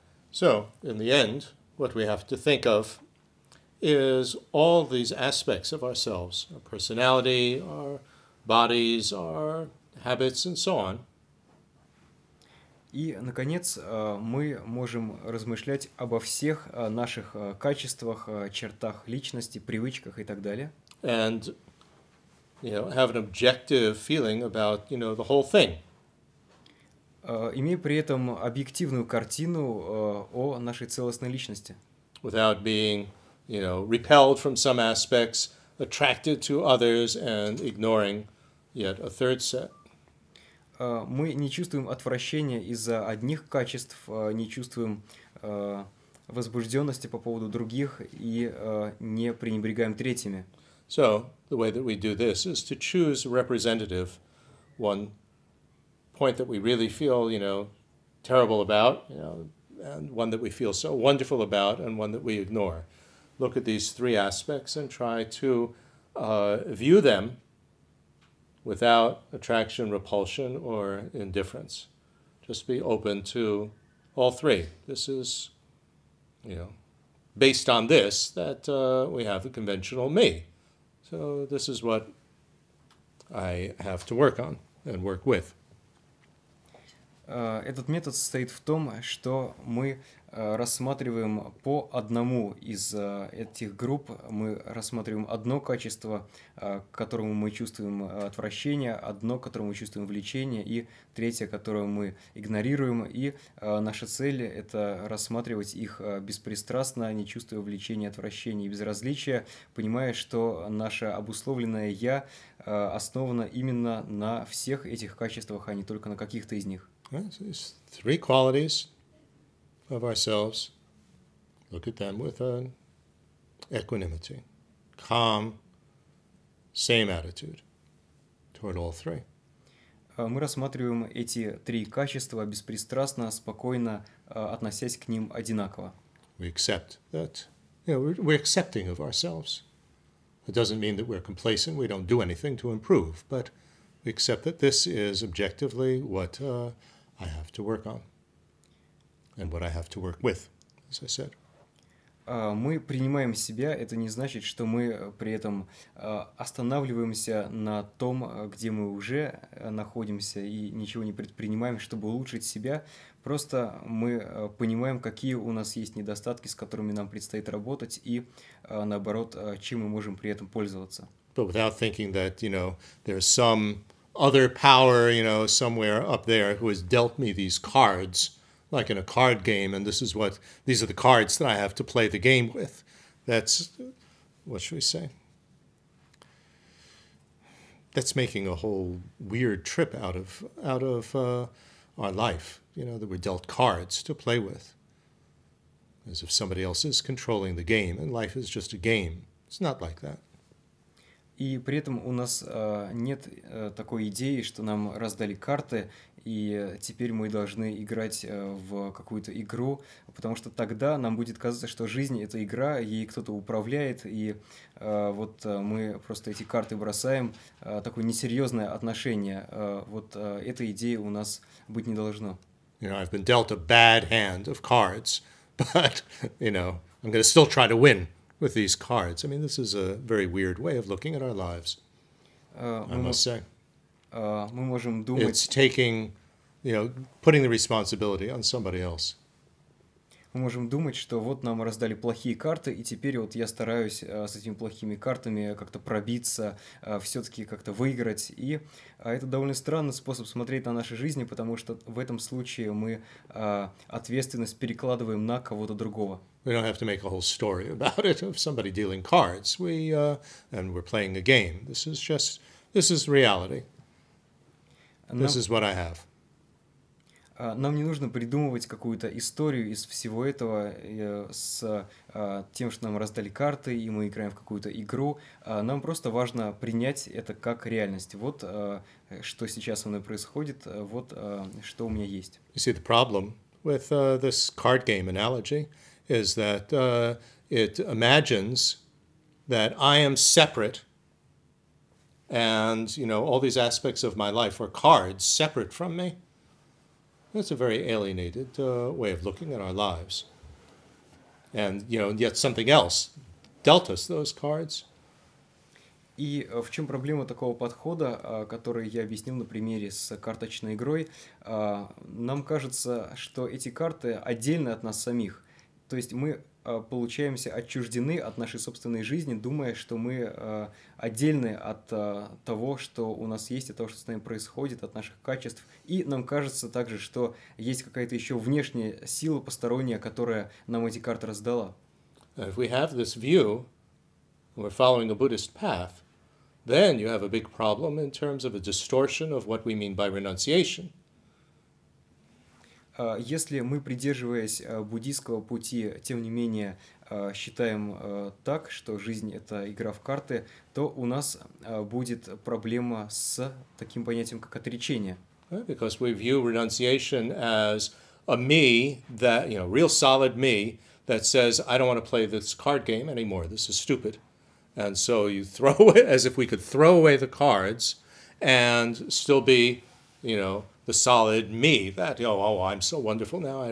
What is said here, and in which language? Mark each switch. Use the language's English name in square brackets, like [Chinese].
[English] So, in the end, what we have to think of is all these aspects of ourselves, our personality, our bodies, our habits, and so on. [Russian] И, наконец, мы можем размышлять обо всех наших качествах, чертах личности, привычках и так далее. [English] And, you know, have an objective feeling about, you know, the whole thing. [Russian] Имея при этом объективную картину о нашей целостной личности. [English] Without being, you know, repelled from some aspects, attracted to others, and ignoring yet a third set. [Russian] мы не чувствуем отвращения из-за одних качеств, не чувствуем возбужденности по поводу других и не пренебрегаем третьими. [English] So, the way that we do this is to choose representative one point that we really feel, you know, terrible about, you know, and one that we feel so wonderful about and one that we ignore. Look at these three aspects and try to view them without attraction, repulsion, or indifference. Just be open to all three. This is, you know, based on this that we have a conventional me. So this is what I have to work on and work with. [Russian] Этот метод состоит в том, что мы рассматриваем по одному из этих групп, мы рассматриваем одно качество, к которому мы чувствуем отвращение, одно, к которому мы чувствуем влечение, и третье, которое мы игнорируем, и наша цель — это рассматривать их беспристрастно, не чувствуя влечения, отвращения и безразличия, понимая, что наше обусловленное «я» основано именно на всех этих качествах, а не только на каких-то из них. [English] Right, so these three qualities of ourselves, look at them with an equanimity, calm, same attitude toward all three. [Russian] Мы рассматриваем эти три качества беспристрастно, спокойно, относясь к ним одинаково. [English] We accept that, you know, we're accepting of ourselves. It doesn't mean that we're complacent, we don't do anything to improve, but we accept that this is objectively what I have to work on, and what I have to work with, as I said. [Russian] Мы принимаем себя, это не значит, что мы при этом останавливаемся на том, где мы уже находимся, и ничего не предпринимаем, чтобы улучшить себя. Просто мы понимаем, какие у нас есть недостатки, с которыми нам предстоит работать, и наоборот, чем мы можем при этом пользоваться. [English] But without thinking that, you know, there's some other power, you know, somewhere up there who has dealt me these cards, like in a card game, and this is what, these are the cards that I have to play the game with. That's, what should we say? That's making a whole weird trip out of our life, you know, that we're dealt cards to play with. As if somebody else is controlling the game, and life is just a game. It's not like that. [Russian] И при этом у нас нет такой идеи, что нам раздали карты, и теперь мы должны играть в какую-то игру, потому что тогда нам будет казаться, что жизнь — это игра, ей кто-то управляет, и вот мы просто эти карты бросаем, такое несерьезное отношение. Вот этой идеи у нас быть не должно. [English] You know, I've been dealt a bad hand of cards, but, you know, I'm going to still try to win with these cards. I mean, this is a very weird way of looking at our lives, I must say. [Russian] Мы можем думать... [English] It's taking, you know, putting the responsibility on somebody else. [Russian] Мы можем думать, что вот нам раздали плохие карты, и теперь вот я стараюсь с этими плохими картами как-то пробиться, все-таки как-то выиграть. И это довольно странный способ смотреть на наши жизни, потому что в этом случае мы ответственность перекладываем на кого-то другого. [English] We don't have to make a whole story about it, of somebody dealing cards. And we're playing a game. This is reality. This is what I have. [Russian] Нам не нужно придумывать какую-то историю из всего этого с тем, что нам раздали карты, и мы играем в какую-то игру. Нам просто важно принять это как реальность. Вот что сейчас со мной происходит, вот что у меня есть. [English] You see, the problem with this card game analogy is that it imagines that I am separate and, you know, all these aspects of my life are cards separate from me. That's a very alienated way of looking at our lives. And, you know, yet something else dealt us those cards. [Russian] И в чем проблема такого подхода, который я объяснил на примере с карточной игрой? Нам кажется, что эти карты отдельны от нас самих. То есть мы получаемся отчуждены от нашей собственной жизни, думая, что мы отдельны от того, что у нас есть, от того, что с нами происходит, от наших качеств. И нам кажется также, что есть какая-то еще внешняя сила посторонняя, которая нам эти карты раздала. [English] If we have this view, we're following a Buddhist path, then you have a big problem in terms of a distortion of what we mean by renunciation. [Russian] Если мы, придерживаясь буддийского пути, тем не менее считаем так, что жизнь — это игра в карты, то у нас будет проблема с таким понятием, как отречение. [English] Because we view renunciation as a me that, you know, real solid me that says, I don't want to play this card game anymore. This is stupid. And so you throw it as if we could throw away the cards and still be, you know, the solid me that, you know, oh, I'm so wonderful now.